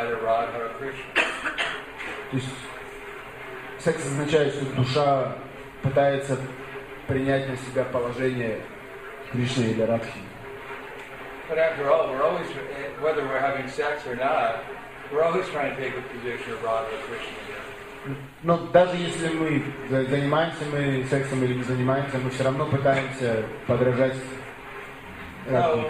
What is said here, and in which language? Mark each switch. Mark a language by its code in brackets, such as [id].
[ru] То есть секс означает, что душа пытается принять на себя положение Кришны или Радхи. [en] But after all, we're always, whether we're having sex or not, we're always trying to take a position of Radha or Krishna. [ru] Но даже если мы занимаемся мы сексом или не занимаемся, мы все равно пытаемся подражать Радхе